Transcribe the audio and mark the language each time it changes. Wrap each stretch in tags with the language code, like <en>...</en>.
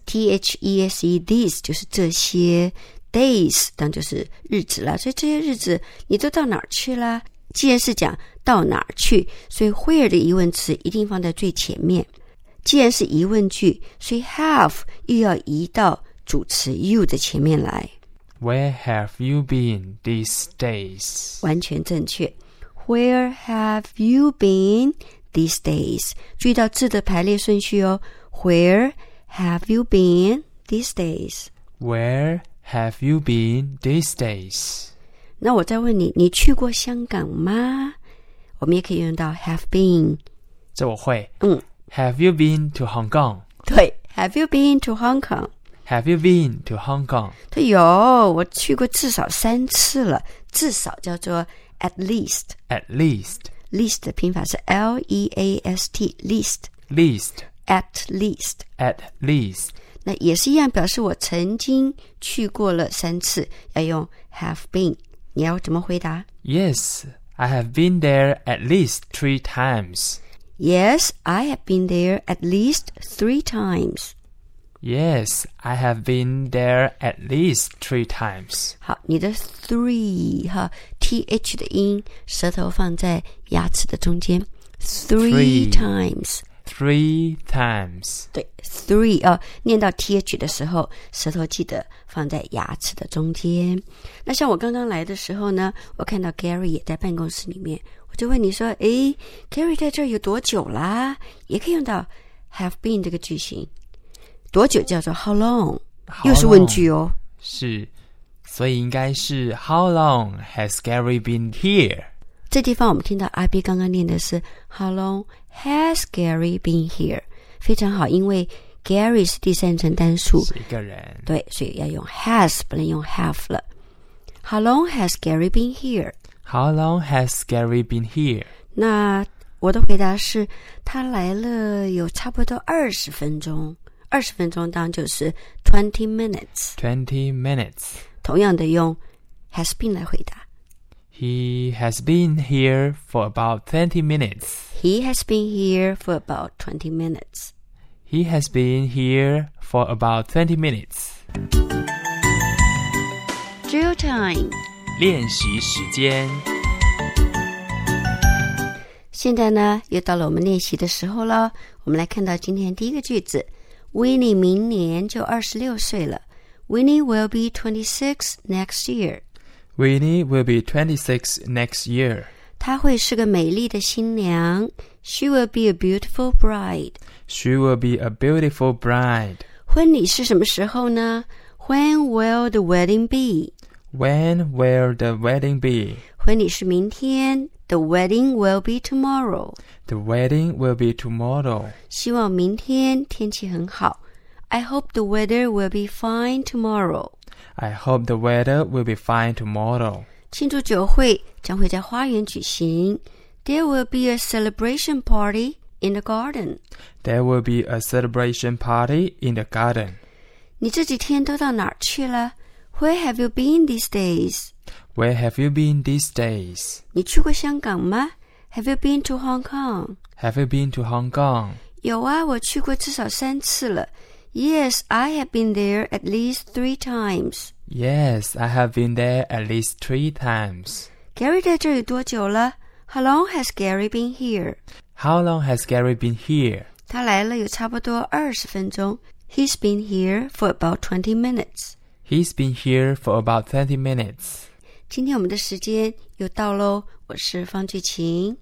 <zh>T-H-E-S-E， these 就是这些， days 当就是日子啦，所以这些日子你都到哪儿去啦。既然是讲到哪儿去，所以 where 的疑问词一定放在最前面。既然是疑问句，所以 have 又要移到主词 you 的前面来。</zh> <en>Where have you been these days?</en> <zh>完全正确。</zh> <en>Where have you been these days?</en> <zh>注意到字的排列顺序哦。</zh> <en>Where have you been these days? Where have you been these days?</en> <zh>那我再问你，你去过香港吗？我们也可以用到 have been。这我会。嗯。</zh> <en>Have you been to Hong Kong?</en> <zh>对。</zh> <en>Have you been to Hong Kong? Have you been to Hong Kong?</en> <zh>对，有，我去过至少三次了，至少叫做 at least。</zh> <en>At least。 Least 的拼法是 L-E-A-S-T, least。 Least。 At least。 At least。</en> <zh>那也是一样，表示我曾经去过了三次，要用 have been。你要怎么回答？</zh> <en>Yes, I have been there at least three times. Yes, I have been there at least three times. Yes, I have been there at least three times.</en> <zh>好，你的 three 哈 ，th 的音，舌头放在牙齿的中间。</zh> <en>Three times. Three times.</en> <zh>对 ，three 啊、哦，念到 th 的时候，舌头记得放在牙齿的中间。那像我刚刚来的时候呢，我看到 Gary 也在办公室里面，我就问你说：“诶 ，Gary 在这儿有多久啦？” 也可以用到 have been 这个句型。多久叫做 how long?</zh> <en>How long?</en> <zh>又是问句哦。是，所以应该是</zh> <en>how long has Gary been here?</en> <zh>这地方我们听到 IB 刚刚念的是</zh> <en>how long has Gary been here?</en> <zh>非常好，因为 Gary 是第三人单数，是一个人。对，所以要用 has, 不能用 have 了。</zh> <en>How long has Gary been here? How long has Gary been here?</en> <zh>那我的回答是他来了有差不多20分钟。二十分钟当就是 twenty minutes.</zh> <en>Twenty minutes.</en> <zh>同样的用 has been 来回答。</zh> <en>He has been here for about 20 minutes. He has been here for about 20 minutes. He has been here for about 20 minutes. Drill time.</en> <zh>练习时间。现在呢，又到了我们练习的时候了。我们来看到今天第一个句子。 Winnie 明年就26岁了。</zh> <en>Winnie will be 26 next year. Winnie will be 26 next year.</en> <zh>她会是个美丽的新娘。</zh> <en>She will be a beautiful bride. She will be a beautiful bride.</en> <zh>婚礼是什么时候呢？</zh> <en>When will the wedding be? When will the wedding be?</en> <zh>婚礼是明天。</zh> <en>The wedding will be tomorrow. The wedding will be tomorrow.</en> <zh>希望明天天气很好。</zh> <en>I hope the weather will be fine tomorrow. I hope the weather will be fine tomorrow.</en> <zh>庆祝酒会将会在花园举行。</zh> <en>There will be a celebration party in the garden. There will be a celebration party in the garden.</en> <zh>你这几天都到哪儿去了？</zh> <en>Where have you been these days? Where have you been these days?</en> <zh>你去过香港吗?</zh> <en>Have you been to Hong Kong? Have you been to Hong Kong?</en> <zh>有啊，我去过至少三次了。</zh> <en>Yes, I have been there at least three times. Yes, I have been there at least three times.</en> <zh>Gary 在这里多久了?</zh> <en>How long has Gary been here? How long has Gary been here?</en> <zh>他来了有差不多20分钟。</zh> <en>He's been here for about 20 minutes. He's been here for about 20 minutes.</en> <zh>今天我们的时间又到咯，我是方俊晴，</zh>